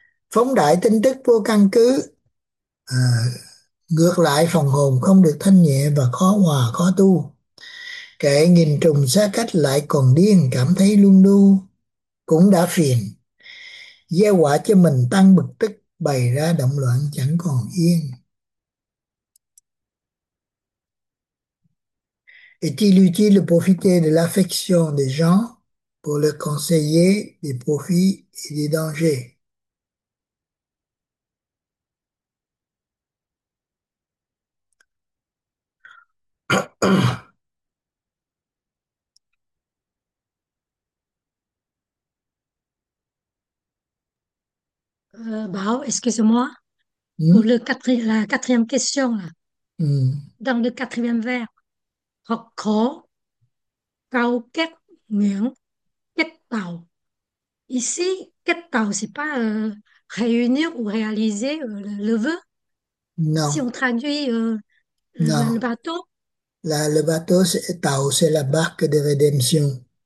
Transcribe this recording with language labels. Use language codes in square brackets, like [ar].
[vi] Phóng đại tin tức vô căn cứ, ngược lại phần hồn không được thanh nhẹ và khó hòa khó tu. Kẻ nghìn trùng xa cách lại còn điên, cảm thấy luân lưu cũng đã phiền. Gieo quả cho mình tăng bực tức, bày ra động loạn chẳng còn yên. [fr] Est-il utile de profiter de l'affection des gens pour leur conseiller des profits et des dangers? Bah, excusez-moi, pour la quatrième question, là. Dans le quatrième vers. [vi] Học khổ cầu kết nguyện kết tàu. [fr] Ici, [vi] kết tàu, [fr] c'est pas réunir ou réaliser le vœu. Si Non. on traduit Non. le bateau. Le bateau, c'est tàu, c'est la barque de rédemption.